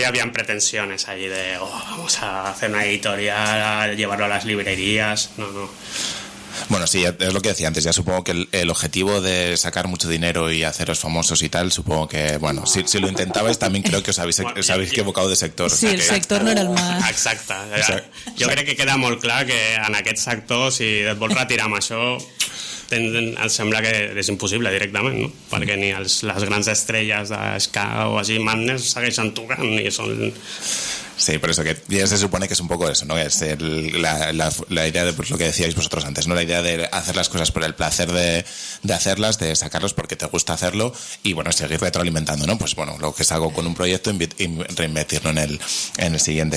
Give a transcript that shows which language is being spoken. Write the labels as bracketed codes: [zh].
[es] No habían pretensiones allí de, vamos a hacer una editorial, a llevarlo a las librerías, no. Bueno, sí, es lo que decía antes, ya supongo que el objetivo de sacar mucho dinero y haceros famosos y tal, supongo que, bueno, si lo intentabais también creo que os habéis equivocado de sector. Sí, o sea, el que sector no era el más. [ca] Exacte, [es] yo creo [ca] que queda molt clar que en aquest sector, si et vols retirar amb això, et sembla que és impossible directament, no? Perquè ni les grans estrelles d'Ska o així, Madness, segueixen tocant i són... [es] Sí, por eso que ya se supone que es un poco eso, ¿no? Es la idea de, pues, lo que decíais vosotros antes, ¿no? La idea de hacer las cosas por el placer de hacerlas, de sacarlos porque te gusta hacerlo y, bueno, seguir retroalimentando, ¿no? Pues, bueno, lo que salgo con un proyecto y reinvertirlo en el siguiente.